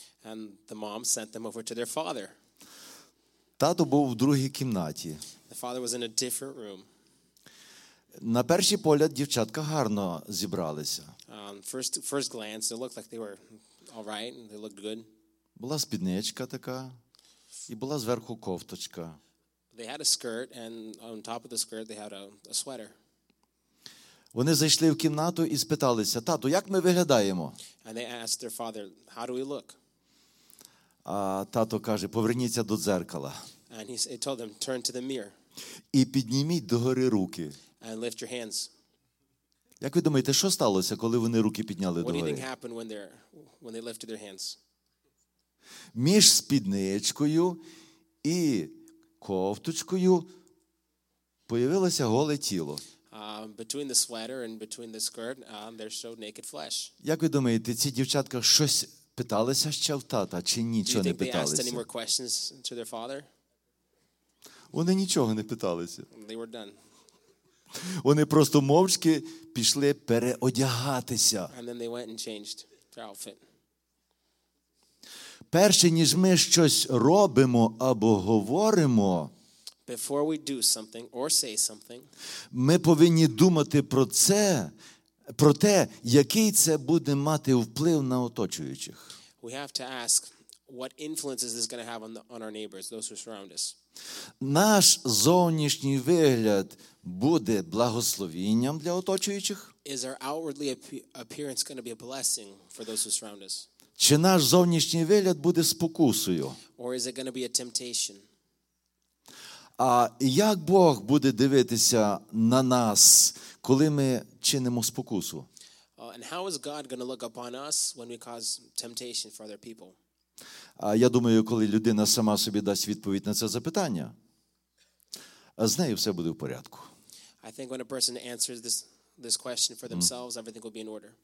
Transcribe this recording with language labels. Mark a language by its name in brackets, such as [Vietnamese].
[English] And the mom sent them over to their father. [Ukrainian] Тато був в другій кімнаті. [English] The father was in a different room. [Ukrainian] На перший погляд дівчатка гарно зібралися. [English] First glance, it looked like they were all right, and they looked good. [Ukrainian] Була спідничка така, і була зверху кофточка. [English] They had a skirt, and on top of the skirt, they had a sweater. [Ukrainian] Вони зайшли в кімнату і спиталися: "Тату, як ми виглядаємо?" [English] And they asked their father, "How do we look?" [Ukrainian] А тато каже: "Поверніться до дзеркала." [English] And he told them, "Turn to the mirror." [Ukrainian] І підніміть догори руки. [English] And lift your hands. [Ukrainian] Як ви думаєте, що сталося, коли вони руки підняли догори? [English] What do you think happened when they lifted their hands? [Ukrainian] Між спідничкою і кофточкою появилося голе тіло. [English] Between the sweater and between the skirt, there showed naked flesh. [Ukrainian] Як ви думаєте, ці дівчатка щось питалися ще в тата чи нічого не питалися? [English] Do you think they asked any more questions to their father? [Ukrainian] Вони нічого не питалися. [English] They were done. [Ukrainian] Вони просто мовчки пішли переодягатися. [English] And then they went and changed their outfit. [Ukrainian] Перше, ніж ми щось робимо або говоримо, [English] before we do something or say something, [Ukrainian] ми повинні думати про це, про те, який це буде мати вплив на оточуючих. [English] We have to ask, what influence is this going to have on our neighbors, those who surround us? [Ukrainian] Наш зовнішній вигляд буде благословенням для оточуючих? [English] Is our outwardly appearance going to be a blessing for those who surround us? [Ukrainian] Чи наш зовнішній вигляд буде спокусою? [English] Or is it going to be a temptation? [Ukrainian] А як Бог буде дивитися на нас, коли ми чинимо спокусу? [English] And how is God going to look upon us when we cause temptation for other people? [Ukrainian] А я думаю, коли людина сама собі дасть відповідь на це запитання, з нею все буде в порядку. [English] I think when a person answers this question for themselves, everything will be in order.